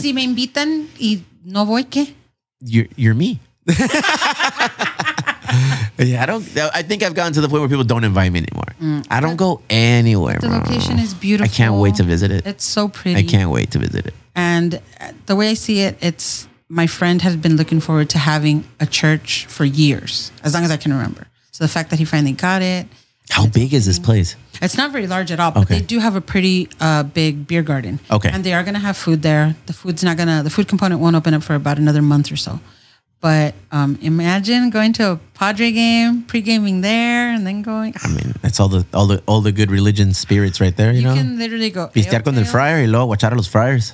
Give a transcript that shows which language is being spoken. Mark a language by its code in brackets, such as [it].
[es] Y si me invitan y no voy, ¿qué? [en] You're me. Yeah, I think I've gotten to the point where people don't invite me anymore. I don't go anywhere. The location is beautiful. I can't wait to visit it. It's so pretty. I can't wait to visit it. And the way I see it, it's my friend has been looking forward to having a church for years, as long as I can remember. So the fact that he finally got it. How big is this place? It's not very large at all, but they do have a pretty big beer garden. Okay. And they are going to have food there. The food component won't open up for about another month or so. But imagine going to a Padre game, pre-gaming there, and then going. I mean, that's all the good religion spirits right there, you know? You can literally go. [es] Pistear con el friar y luego [en] watch out [es] a los friars.